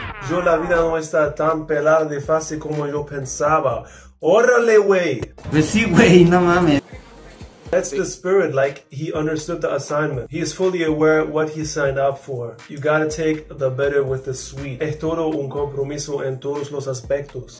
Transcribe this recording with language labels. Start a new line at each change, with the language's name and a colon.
Spanish: Yo la vida no está tan pelada de fácil como yo pensaba. ¡Órale, güey! Pues sí, güey, no mames.
English: That's the spirit, like, he understood the assignment. He is fully aware what he signed up for. You gotta take the better with the sweet.
Spanish: Es todo un compromiso en todos los aspectos.